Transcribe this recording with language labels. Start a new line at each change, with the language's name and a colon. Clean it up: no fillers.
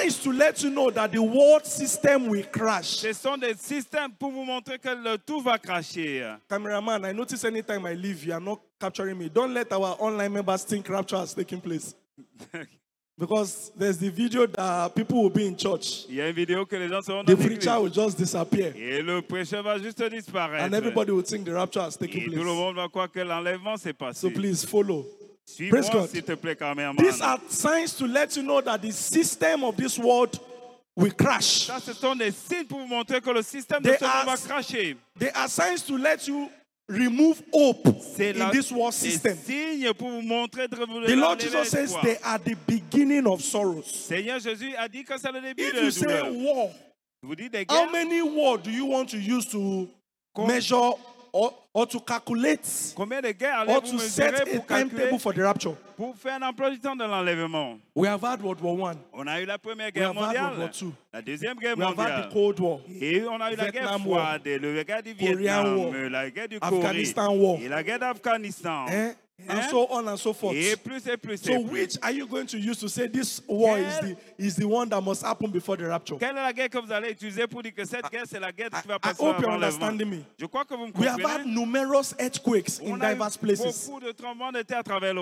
English: Signs to let you know that the world system will crash.
French: Ce sont des systèmes pour vous montrer que le tout va crasher.
English: Cameraman, I notice anytime I leave, you are not capturing me. Don't let our online members think rapture has taken place. Because there's the video that people will be in church.
French: Il y a une vidéo que les gens seront dans
English: the preacher will just disappear.
French: Et le prêcheur va juste disparaître.
English: And everybody will think the rapture has taken place.
French: Et tout le monde va croire que l'enlèvement s'est passé.
English: So please follow. Praise God.
French: S'il te plaît, cameraman.
English: These are signs to let you know that the system of this world will crash.
French: Ça, ce sont des signes pour vous montrer que le système de ce monde va crasher.
English: They are signs to let you remove hope
French: c'est
English: in this world system.
French: Signe pour vous montrer de
English: the Lord Jesus says they are the beginning of sorrows.
French: Seigneur Jésus a dit que c'est le début
English: if you say war,
French: vous dites
English: how many wars do you want to use to measure or to calculate
French: combien de guerres
English: or to set a timetable for the rapture?
French: Pour faire un emploi du temps de l'enlèvement.
English: We have had World War One.
French: On a eu la première guerre mondiale.
English: We have had World War Two.
French: La deuxième guerre
English: we
French: mondiale.
English: We have had the Cold War.
French: Et on a eu Vietnam la guerre froide, le regard du Vietnam,
English: war.
French: La guerre du
English: Afghanistan
French: Corée.
English: War.
French: Et la guerre d'Afghanistan.
English: Eh? Eh? And so on and so forth.
French: Et plus et plus.
English: So
French: et plus.
English: Which are you going to use to say this war is the one that must happen before the rapture?
French: Quelle est la guerre que vous allez utiliser pour dire que cette guerre c'est la guerre qui va passer avant l'avant?
English: I hope you're understanding me.
French: Je crois que vous me comprenez.
English: We have had numerous earthquakes
French: on
English: in diverse places.
French: On a eu beaucoup de tremblements de terre à travers le